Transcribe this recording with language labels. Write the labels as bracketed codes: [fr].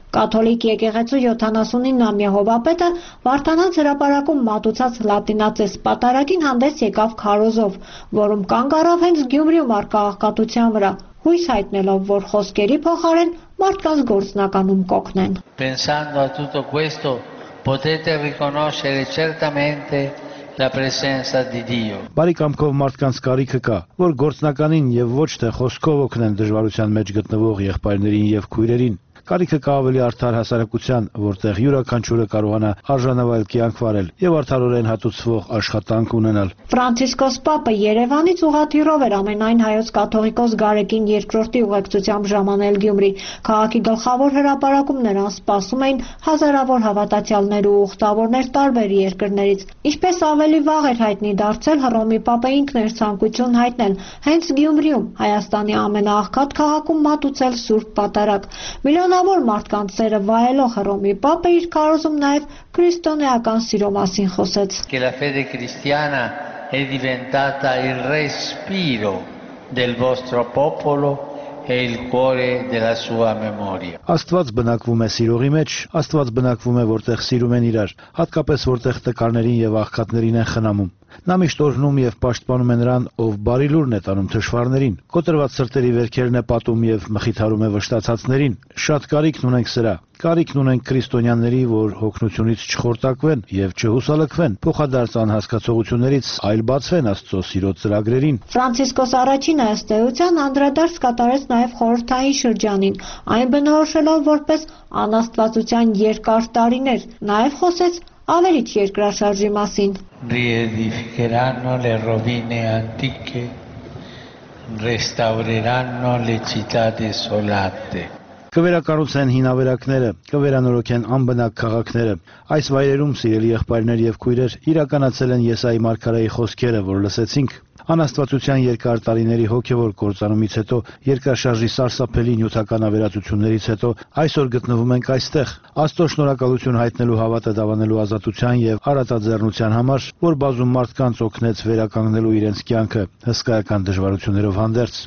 [hy] Կաթոլիկ եկեղեցու 79-ամյա հովապետը Վարդանանց հրապարակում մատուցած լատինացես պատարագին հանդես եկավ քարոզով, որում կանգ առավ հենց Գյումրիում առկաղակատության վրա, հույս հայտնելով, որ խոսքերի փոխարեն մարդկանց գործնականում կօգնեն. [it] Pensando a tutto questo, potete riconoscere certamente la presenza di Dio. [hy] Բարի կամքով մարդկանց կարիքը կա, որ գործնականին եւ ոչ թե խոսքով օգնեն դժվարության մեջ գտնվող եղբայրներին եւ քույրերին։ Կարիքը կա ավելի արդար հասարակության, որտեղ յուրաքանչյուրը կարողանա արժանավալ կյանք վարել եւ արդարորեն հատուցվող աշխատանք ունենալ։ Ֆրանցիսկոս Պապը Երևանից ուղաթիռով էր ամենայն հայոց կաթողիկոս Գարեգին II-ի ուղեկցությամբ ժամանել Գյումրի։ Քաղաքի գլխավոր հրապարակում նրան սպասում էին հազարավոր հավատացյալներ ու ուխտավորներ տարբեր երկրներից։ Ինչպես ավելի վաղ էր հայտնի դարձել, Հռոմի Պապը ինքն էր ցանկություն հայտնել հենց Գյումրիում, Հայաստանի ամենաաղքատ քաղաքում մատուցել Սուրբ Պատարագ։ Միլիոնավոր մարդկանց սերը վայելող Հռոմի Պապը իր քարոզում նաև քրիստոնեական սիրո մասին խոսեց. [it] È diventata il respiro del vostro popolo e il cuore della sua memoria. [hy] Աստված բնակվում է սիրողի մեջ, Աստված բնակվում է որտեղ սիրում են իրար, հատկապես որտեղ տկարներին եւ աղքատներին են խնամում։ Նա միշտ օրհնում եւ պաշտպանում է նրան, ով բարի լուրն է տանում թշվառներին, կոտրված սրտերի վերքերն է պատում եւ մխիթարում է վշտացածներին։ Շատ կարիքն ունենք սրա, կարիքն ունենք քրիստոնյաների, որ հոգնությունից չխորտակվեն եւ չհուսալքվեն, փոխադարձ անհասկացողություններից այլ բացվեն Աստծո սիրո ծրագրերին։ Ֆրանցիսկոս առաջինը ըստ էության անդրադարձ կատարեց նաեւ խորհրդային շրջանին, այն բնորոշելով որպես անաստվածության երկար տարիներ, նաեւ խոսեց ավելի երկրաշարժի մասին. [it] Riedificheranno le rovine antiche, restaureranno le città desolate. [hy] Կվերակառուցեն հինավերակները, կվերանորոգեն անբնակ քաղաքները։ Այս վայրերում սիրելի եղբայրներ եւ քույրեր իրականացել են Եսայի մարգարեի խոսքերը, որ լսեցինք։ Անաստվածության երկար տարիների հոգևոր կործանումից հետո, երկրաշարժի սարսափելի նյութական ավերածություններից հետո այսօր գտնվում ենք այստեղ, Աստծո շնորհակալություն հայտնելու հավատը դավանելու ազատության եւ արատաձեռնության համար, որ բազում մարդկանց օգնեց վերականգնելու իրենց կյանքը հսկայական դժվարություններով հանդերձ։